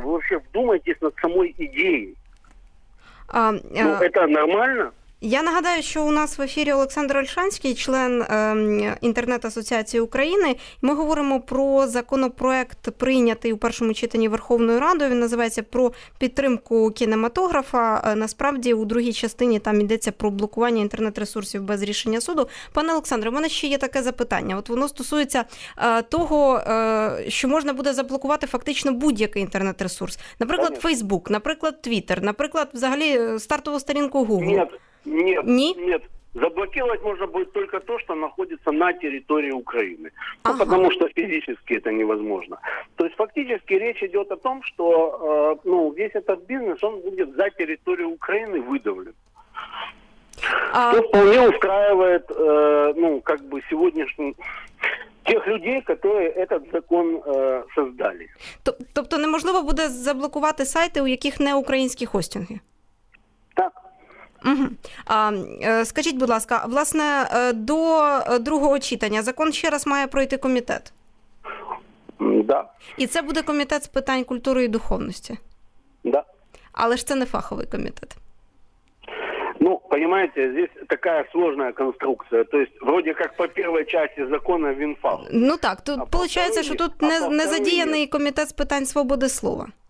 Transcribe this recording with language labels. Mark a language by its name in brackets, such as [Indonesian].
[Russian] Вы вообще вдумайтесь над самой идеей. Это нормально? [Ukrainian] Я нагадаю, що у нас в ефірі Олександр Ольшанський, член Інтернет-асоціації України. Ми говоримо про законопроект, прийнятий у першому читанні Верховною Радою. Він називається «Про підтримку кінематографа». Насправді, у другій частині там йдеться про блокування інтернет-ресурсів без рішення суду. Пане Олександре, у мене ще є таке запитання. От воно стосується того, що можна буде заблокувати фактично будь-який інтернет-ресурс. Наприклад, Фейсбук, наприклад, Твіттер, наприклад, взагалі стартову сторінку Google. [Russian] Нет, Заблокировать можно будет только то, что находится на территории Украины. Ну, ага. Потому что физически это невозможно. То есть фактически речь идет о том, что ну, весь этот бизнес, он будет за территорию Украины выдавлен. Что вполне устраивает ну, как бы сегодняшний... тех людей, которые этот закон создали. [Ukrainian] Тобто неможливо буде заблокувати сайти, у яких не українські хостинги? Так. Угу. Скажіть, будь ласка, власне, до другого читання закон ще раз має пройти комітет? [Russian] Да. [Ukrainian] І це буде комітет з питань культури і духовності? [Russian] Да. [Ukrainian] Але ж це не фаховий комітет. [Russian] Ну, понимаете, здесь такая сложная конструкция. То есть, вроде как по первой части закона ВИНФАУ. Ну так, тут а получается, что тут не задеянный комитет с питань свободы слова.